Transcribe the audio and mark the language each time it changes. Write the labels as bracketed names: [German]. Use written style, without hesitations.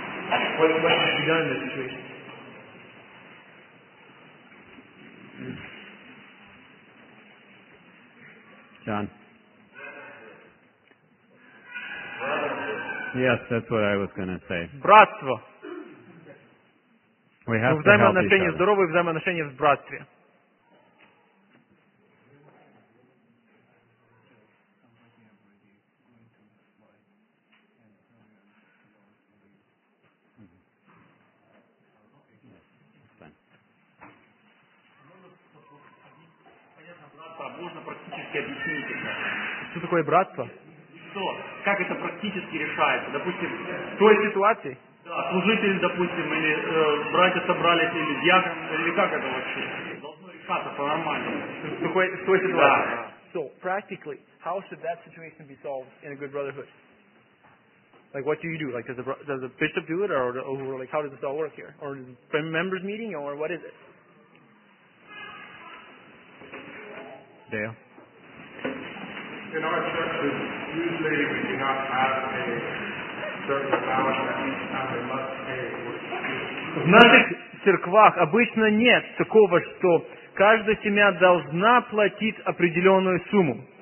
[English] What should be done in this situation? John. Yes, that's what I was going to say. [Russian] Братство. [English] We have to help each other. [Russian] Здоровые взаимоотношения в братстве. Что такое братство? Что? Как это практически решается? Допустим, в той ситуации? Да, служитель, допустим, или братья собрались, или диакон, или как это вообще? Должно решаться по-нормальному. В той ситуации? Да. [English] So, practically, how should that situation be solved in a good brotherhood? Like, what do you do? Like, does the bishop do it, or like, how does this all work here? Or is it a members meeting, or what is it? Dale? In our churches, usually we do not have a certain amount that each family must pay. [Russian] В наших церквах обычно нет такого, что каждая семья должна платить определенную сумму.